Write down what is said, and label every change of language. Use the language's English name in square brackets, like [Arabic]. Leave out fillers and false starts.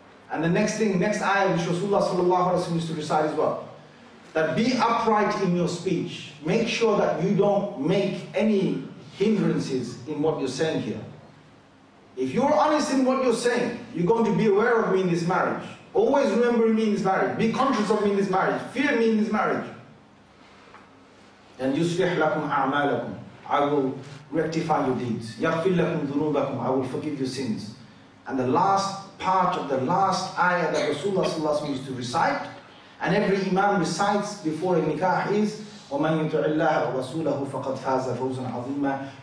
[English] And the next thing, next ayah which Rasulullah sallallahu alayhi wa sallam used to recite as well, that be upright in your speech. Make sure that you don't make any hindrances in what you're saying here. If you're honest in what you're saying, you're going to be aware of me in this marriage. Always remember me in this marriage. Be conscious of me in this marriage. Fear me in this marriage. Then [Arabic] يُسْفِحْ لَكُمْ أَعْمَالَكُمْ. [English] I will rectify your deeds. [Arabic] يَغْفِرْ لَكُمْ ذُنُوبَكُمْ. [English] I will forgive your sins. And the last part of the last ayah that Rasulullah sallallahu alaihi wasallam used to recite, and every imam recites before a nikah, is [Arabic] وَمَنْ يُطِعِ اللَّهَ وَرَسُولَهُ فَقَدْ فَازَ فَوْزًا عَظِيمًا.